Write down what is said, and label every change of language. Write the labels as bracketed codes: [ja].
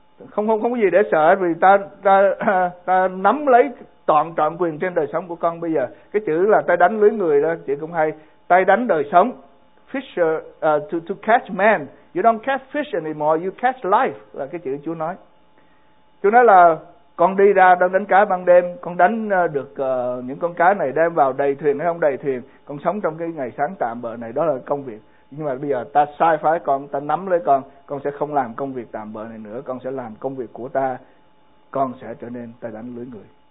[vi] Không có gì để sợ, vì ta nắm lấy trọn quyền trên đời sống của con bây giờ. Cái chữ là tay đánh lưới người đó, chị cũng hay, tay đánh đời sống. [en] Fisher, to catch man, you don't catch fish anymore, you catch life, [vi] là cái chữ Chúa nói. Chúa nói là con đi ra đang đánh cá ban đêm, con đánh được những con cá này đem vào đầy thuyền hay không đầy thuyền, con sống trong cái ngày sáng tạm bợ này, đó là công việc. Nhưng mà bây giờ ta sai phái con, ta nắm lấy con sẽ không làm công việc tạm bợ này nữa, con sẽ làm công việc của ta, con sẽ trở nên tay đánh lưới người.